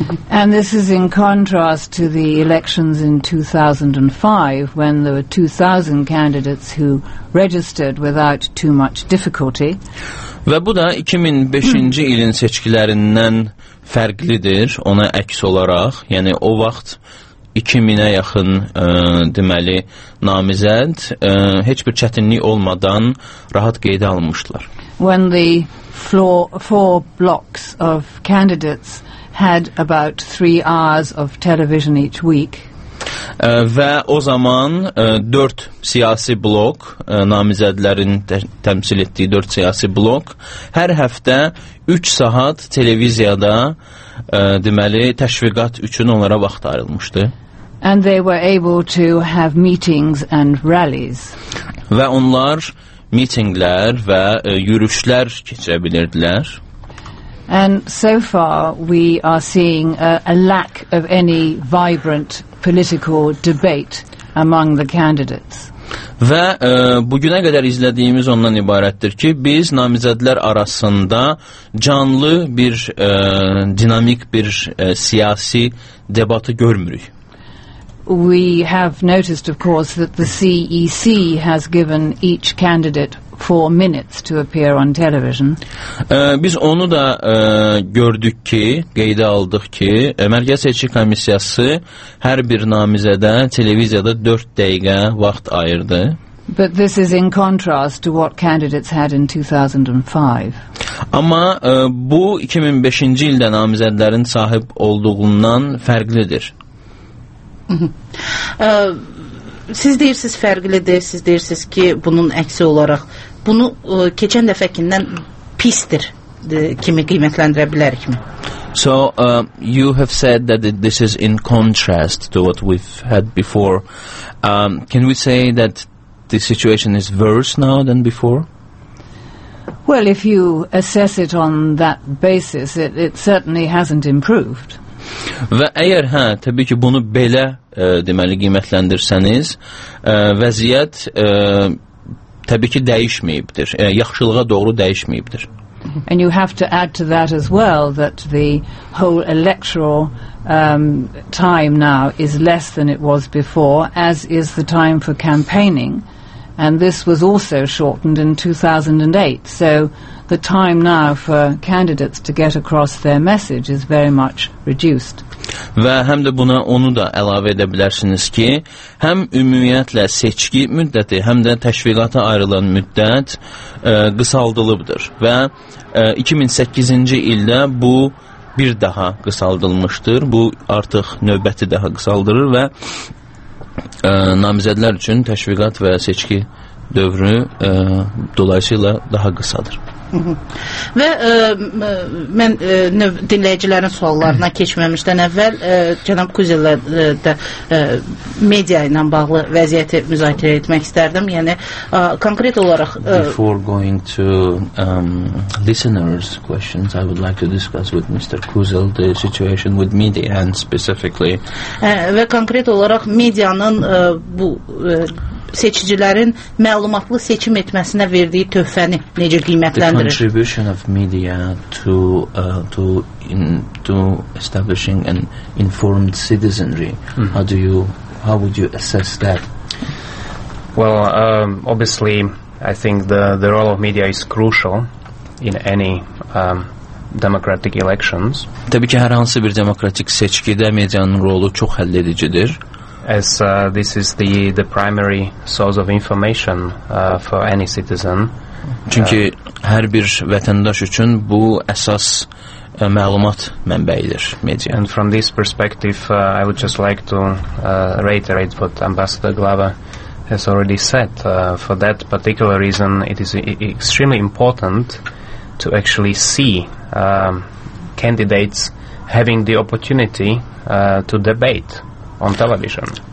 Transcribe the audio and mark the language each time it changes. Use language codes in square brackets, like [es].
[en] And this is in contrast to the elections in 2005 when there were 2000 candidates who registered without too much difficulty. [az] Və bu da 2005-ci ilin seçkilərindən fərqlidir, ona əks olaraq. Yəni o vaxt 2000-ə yaxın deməli namizəd heç bir çətinlik olmadan rahat qeydə alınmışdılar. [en] When the four blocks of candidates had about 3 hours of television each week. [az] Və o zaman 4 siyasi blok, namizədlərin təmsil etdiyi 4 siyasi blok hər həftə 3 saat televiziyada deməli təşviqat üçün onlara vaxt ayrılmışdı. [en] And they were able to have meetings and rallies. [az] Və onlar mitinglər və yürüşlər keçirə bilirdilər. [en] And so far we are seeing a lack of any vibrant political debate among the candidates. [az] Və bugünə qədər izlədiyimiz ondan ibarətdir ki, biz namizədlər arasında canlı bir dinamik bir siyasi debatı görmürük. [en] We have noticed, of course, that the CEC has given each candidate 4 minutes to appear on television. [az] Biz onu da gördük ki, qeydə aldıq ki, Mərkəzi Seçki Komissiyası hər bir namizədə televiziyada 4 dəqiqə vaxt ayırdı. [en] But this is in contrast to what candidates had in 2005. [az] Amma bu 2005-ci ildə namizədlərin sahib olduğundan fərqlidir. Siz deyirsiniz fərqlidir, siz deyirsiniz ki, bunun əksi olaraq bunu keçən dəfəkindən pisdir kimi qiymətləndirə bilərikmi? [en] So, you have said that this is in contrast to what we've had before. Can we say that the situation is worse now than before? Well, if you assess it on that basis, it certainly hasn't improved. [az] Və əgər, hə, təbii ki, bunu belə deməli qiymətləndirsəniz, vəziyyət təbii ki, dəyişməyibdir. Yaxşılığa doğru dəyişməyibdir. [en] And you have to add to that as well that the whole electoral time now is less than it was before, as is the time for campaigning, and this was also shortened in 2008. So the time now for candidates to get across their message is very much reduced. [az] Və həm də buna onu da əlavə edə bilərsiniz ki, həm ümumiyyətlə seçki müddəti, həm də təşviqata ayrılan müddət qısaldılıbdır. Və 2008-ci ildə bu bir daha qısaldılmışdır. Bu artıq növbəti daha qısaldılır və namizədlər üçün təşviqat və seçki dövrü dolayısıyla daha qısadır. Və mən dinləyicilərin suallarına keçməmişdən əvvəl cənab Kuzelə də media ilə bağlı vəziyyəti müzakirə etmək istərdim. Yəni konkret olaraq [en] before going to listeners questions, I would like to discuss with Mr. Kuzel the situation with media and specifically [az] və konkret olaraq medianın bu seçicilərin məlumatlı seçim etməsinə verdiyi töhfəni necə qiymətləndirir? [en] The contribution of media to establishing an informed citizenry. Mm-hmm. How would you assess that? Well, obviously, I think the role of media is crucial in any democratic elections. [az] Təbii ki, hər hansı bir demokratik seçkidə medianın rolu çox həlledicidir. [en] As this is the primary source of information for any citizen. [az] Çünki hər bir vətəndaş üçün bu əsas məlumat mənbəyidir, media. [en] And from this perspective, I would just like to reiterate what Ambassador Glava has already said. For that particular reason, it is extremely important to actually see candidates having the opportunity to debate on television.